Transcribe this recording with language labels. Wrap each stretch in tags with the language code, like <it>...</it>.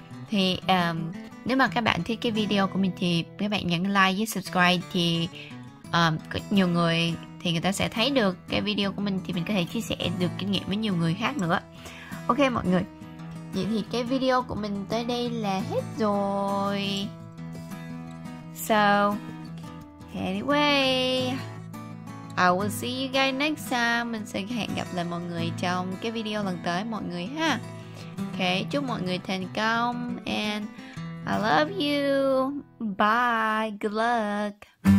<vi>Thì nếu mà các bạn thích cái video của mình thì các bạn nhấn like với subscribe, thì nhiều người thì người ta sẽ thấy được cái video của mình, thì mình có thể chia sẻ được kinh nghiệm với nhiều người khác nữa. Ok mọi người, vậy thì cái video của mình tới đây là hết rồi.</vi> <en>So anyway, I will see you guys next time.</en> <vi>Mình sẽ hẹn gặp lại mọi người trong cái video lần tới mọi người ha. Ok, chúc mọi người thành công.</vi> <en>And I love you. Bye. Good luck.</en>